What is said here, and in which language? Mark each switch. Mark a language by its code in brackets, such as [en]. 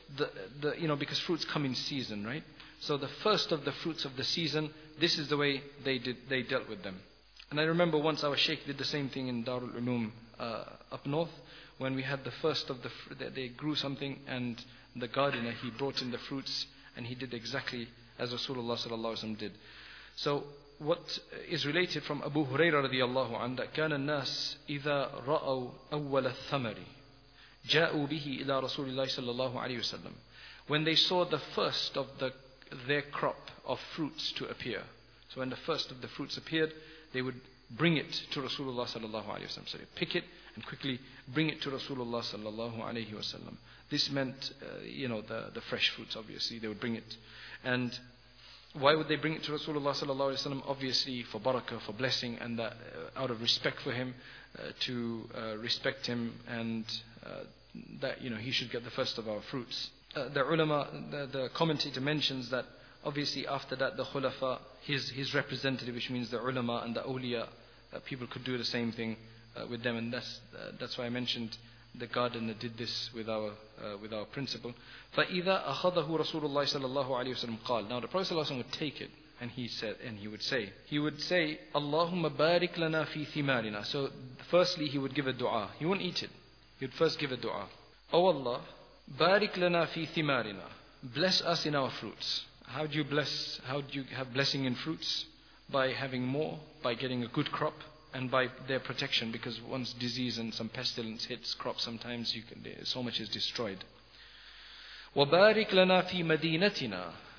[en] The because fruits come in season, right? So the first of the fruits of the season, this is the way they dealt with them. And I remember once our sheikh did the same thing in Darul Uloom up north, when we had the first of the fruit, they grew something, and the gardener, he brought in the fruits, and he did exactly as Rasulullah sallallahu alaihi wasallam did. So what is related from Abu Hurairah radiallahu anhu, that [ar] كان الناس إذا رأوا أول الثمر جاءوا به إلى رسول الله صلى الله عليه وسلم. [en] When they saw the first of their crop of fruits to appear, so when the first of the fruits appeared, they would bring it to Rasulullah sallallahu alaihi wasallam. So they pick it and quickly bring it to Rasulullah sallallahu alaihi wasallam. This meant, the fresh fruits. Obviously, they would bring it. And why would they bring it to Rasulullah sallallahu alaihi wasallam? Obviously, for barakah, for blessing, and that out of respect for him, respect him, and that he should get the first of our fruits. The ulama, the commentator mentions that obviously after that the khulafa, his representative, which means the ulama and the awliya, people could do the same thing with them, and that's why I mentioned the gardener did this with our principle. [ar] فَإِذَا أَخَذَهُ رَسُولُ اللَّهِ صَلَى اللَّهُ عَلَيْهِ وَسَلَمْ قَالَ. [en] Now the Prophet ﷺ would take it, and he would say, [ar] اللَّهُمَّ بَارِكْ لَنَا فِي ثِمَارِنَا. [en] So firstly he would give a dua. He wouldn't eat it. He would first give a dua. O Allah, [ar] بَارِكْ لَنَا فِي ثِمَارِنَا. [en] Bless us in our fruits. How do you have blessing in fruits? By having more, by getting a good crop, and by their protection, because once disease and some pestilence hits crops, sometimes so much is destroyed. [ar] وَبَارِكْ لَنَا فِي مَدِينَتِنَا.